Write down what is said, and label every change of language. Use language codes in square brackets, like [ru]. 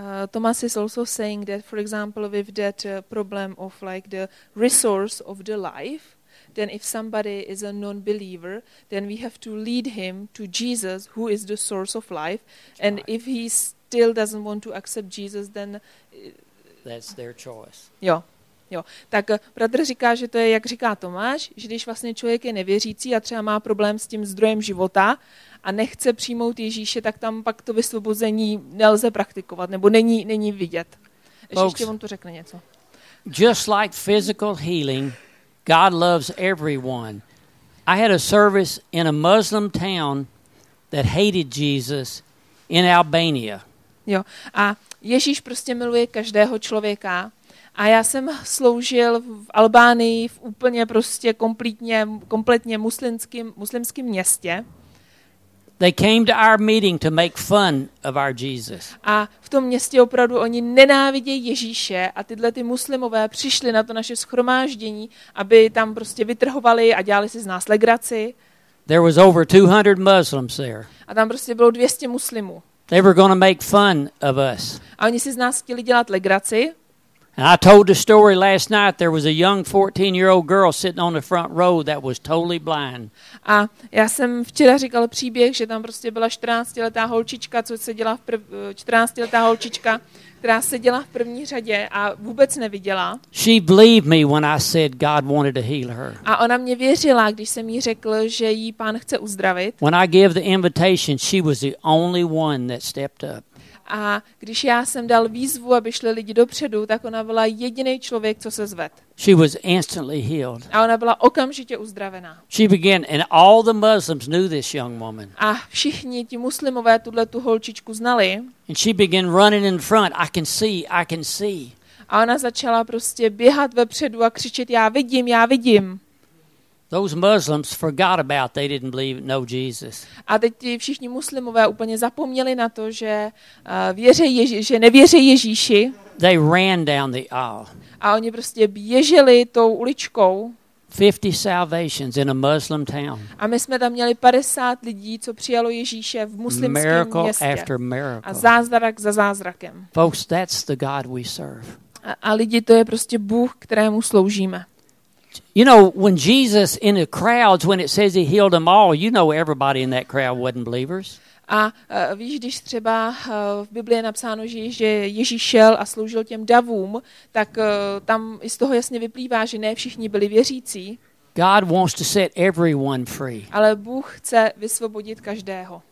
[en] Thomas is also saying that, for example, with that problem of like the resource of the life, then if somebody is a non-believer, then we have to lead him to Jesus, who is the source of life. And if he still doesn't want to accept Jesus, then... That's their choice. [cs] Jo. Jo. Tak bratr říká, že to je, jak říká Tomáš, že když vlastně člověk je nevěřící a třeba má problém s tím zdrojem života a nechce přijmout Ježíše, tak tam pak to vysvobození nelze praktikovat, nebo není vidět. Ještě on to řekne něco. [en] Just like physical healing, God loves everyone. I had a service in a Muslim town that hated Jesus in Albania. [cs] Jo. A Ježíš prostě miluje každého člověka. A já jsem sloužil v Albánii v úplně prostě kompletně muslimském městě. [en] They came to our meeting to make fun of our Jesus. [cs] A v tom městě opravdu oni nenávidějí Ježíše a tyhle ty muslimové přišli na to naše shromáždění, aby tam prostě vytrhovali a dělali si z nás legraci. [en] There was over 200 Muslims there. [cs] A tam prostě bylo 200 muslimů. [en] They were going to make fun of us. [cs] A oni si z nás chtěli dělat legraci. [en] And I told the story last night. There was a young 14-year-old girl sitting on the front row that was totally blind. [cs] A já jsem včera říkal příběh, že tam prostě byla 14-letá holčička, co seděla v 14-letá holčička, která seděla v první řadě a vůbec neviděla. [en] She believed me when I said God wanted to heal her. [cs] A ona mě věřila, když jsem jí řekl, že jí pán chce uzdravit. [en] When I gave the invitation, she was the only one that stepped up. [cs] A když já jsem dal výzvu, aby šli lidi dopředu, tak ona byla jediný člověk, co se zvedl. [en] She was instantly healed. [cs] A ona byla okamžitě uzdravená. [en] She began, and all the Muslims knew this young woman. [cs] A všichni ti muslimové tuhle tu holčičku znali. [en] And she began running in front. I can see, I can see. [cs] A ona začala prostě běhat vepředu a křičet: "Já vidím, já vidím." [en] Those Muslims forgot about they didn't believe know Jesus. [cs] A teď všichni muslimové úplně zapomněli na to, že že nevěří Ježíši. [en] They ran down the aisle. [cs] A oni prostě běželi tou uličkou. [en] 50 salvations in a Muslim town. [cs] A my jsme tam měli 50 lidí, co přijalo Ježíše v muslimském městě. [en] Miracle after miracle. [cs] A zázrak za zázrakem. [en] Folks, that's the God we serve. [cs] A lidi, to je prostě Bůh, kterému sloužíme. [en] You know, when Jesus in the crowds, when it says he healed them all, you know everybody in that crowd wasn't believers. [cs] A víš, když třeba v Biblii je napsáno, že Ježíš šel a sloužil těm davům, tak tam i z toho jasně vyplývá, že ne všichni byli věřící. [en] God wants to set everyone free. [cs] Ale Bůh chce vysvobodit každého.